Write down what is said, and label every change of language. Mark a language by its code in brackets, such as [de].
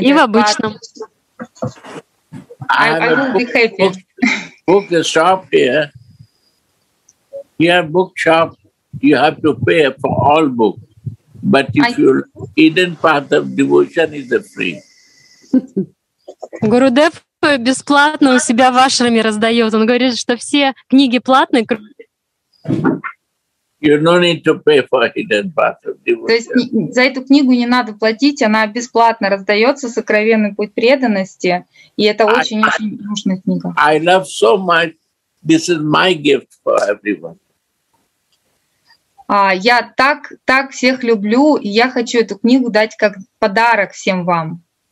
[ru] И в обычном. [en] I will be happy. Book the shop here. Here, bookshop, you have to pay for all books. But if you hidden path of devotion is a free. [ru] Гурудев бесплатно у себя в ашраме раздает. Он говорит, что все книги платные. [en] You don't need to pay for hidden path of devotion. [ru] То есть за эту книгу не надо платить, она бесплатно раздается, сокровенный путь преданности, и это очень-очень нужная книга. [en] I love so much. This is my gift for everyone. [ru] Я так всех люблю, и я хочу эту книгу дать как подарок всем вам.